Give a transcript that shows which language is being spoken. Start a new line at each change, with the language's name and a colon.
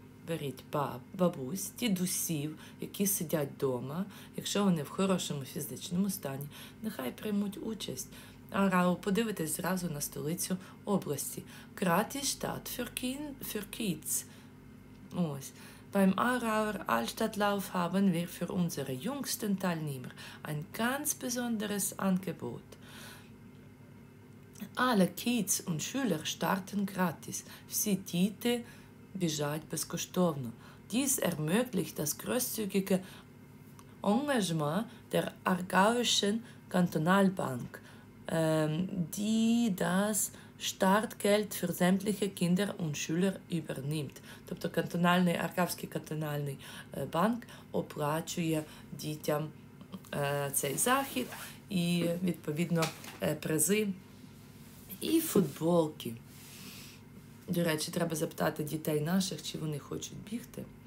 Ukrainian: Беріть бабусь, дідусів, які сидять вдома, якщо вони в хорошому фізичному стані, нехай приймуть участь. Арау, подивитись зразу на столицю області.
German: Gratisstadt für kids. Ось. Beim Aarauer Altstadtlauf haben wir für unsere jüngsten Teilnehmer ein ganz besonderes Angebot. Alle kids und Schüler starten gratis.
Ukrainian: Всі діти біжать безкоштовно.
German: Dies ermöglicht das großzügige Engagement der Aargauischen Kantonalbank, die das Startgeld für sämtliche Kinder und Schüler übernimmt.
Ukrainian: Тобто кантональний, Аргавський кантональний банк оплачує дітям цей захід і, відповідно, призи і футболки. До речі, треба запитати дітей наших, чи вони хочуть бігти.